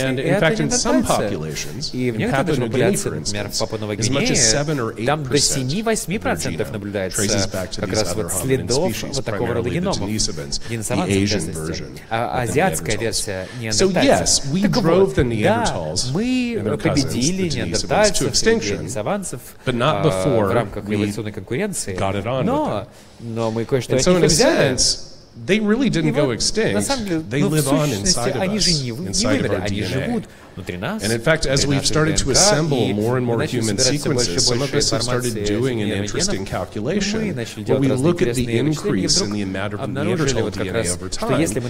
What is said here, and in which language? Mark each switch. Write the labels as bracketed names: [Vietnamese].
[English] And, in fact, in some populations, in Papua New Guinea, for instance, as much as 7 or 8% of the genome traces back to these other hominin species. [Russian] Вот такого рода геномов, азиатская версия неандертальцев. Так вот, да, мы победили неандертальцев и денисованцев в рамках эволюционной конкуренции, но мы кое-что от них взяли. [English] They really didn't go extinct. They live on inside of us, inside of our DNA. And in fact, as we've started to assemble more and more human sequences, some of us have started doing an interesting calculation where we look at the increase in the amount of Neanderthal DNA over time.